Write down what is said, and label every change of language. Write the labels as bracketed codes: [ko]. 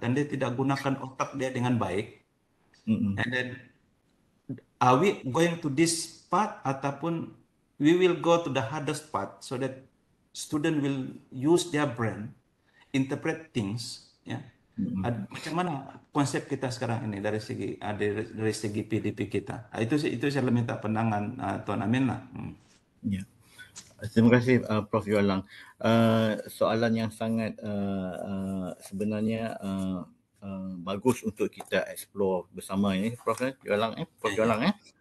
[ms] Dan dia tidak gunakan otak dia dengan baik. Mm-hmm. [en] And then, are we going to this part? Ataupun we will go to the hardest part so that student will use their brain, interpret things. Yeah. [ms] Macam mana konsep kita sekarang ini dari segi PDP kita? Itu saya minta pandangan Tuan Amin lah. Ya. Terima kasih Prof Yualang. Soalan yang sangat sebenarnya bagus untuk kita explore bersama ini Prof Yualang.